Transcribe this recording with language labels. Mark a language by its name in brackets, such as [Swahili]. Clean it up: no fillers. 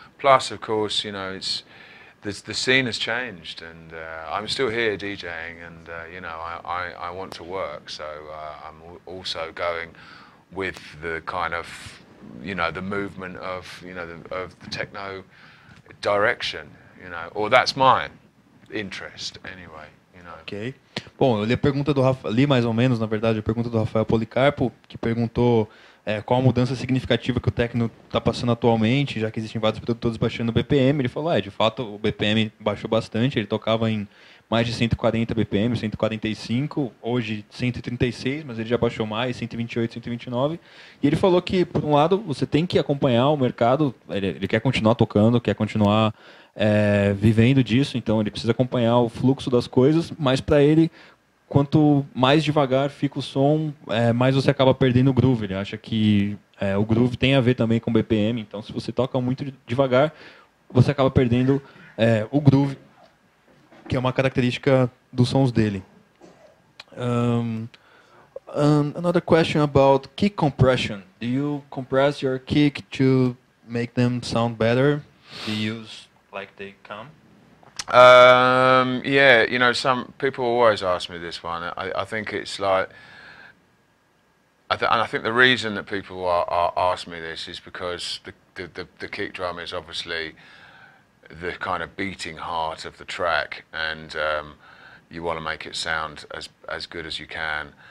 [English] Plus, of course, you know, it's the scene has changed, and I'm still here DJing, and you know, I want to work, so I'm also going with the kind of, you know, the movement of, you know, the techno direction, you know, or that's my interest anyway, you know. Okay. [Portuguese] Bom, eu li a pergunta do Rafa, li mais ou menos, na verdade, a pergunta do Rafael Policarpo, que perguntou qual a mudança significativa que o techno está passando atualmente, já que existem vários produtores baixando o BPM. Ele falou, de fato, o BPM baixou bastante, ele tocava em mais de 140 BPM, 145, hoje 136, mas ele já baixou mais, 128, 129. E ele falou que, por um lado, você tem que acompanhar o mercado, ele quer continuar tocando, quer continuar vivendo disso, então ele precisa acompanhar o fluxo das coisas, mas para ele, quanto mais devagar fica o som, mais você acaba perdendo o groove. Ele acha que o groove tem a ver também com BPM, então se você toca muito devagar, você acaba perdendo o groove, que é uma característica dos sons dele. [English] Another question about kick compression. Do you compress your kick to make them sound better? Do you use like they come? Yeah, you know, some people always ask me this one. I think it's like, and I think the reason that people are ask me this is because the kick drum is obviously the kind of beating heart of the track, and you want to make it sound as good as you can.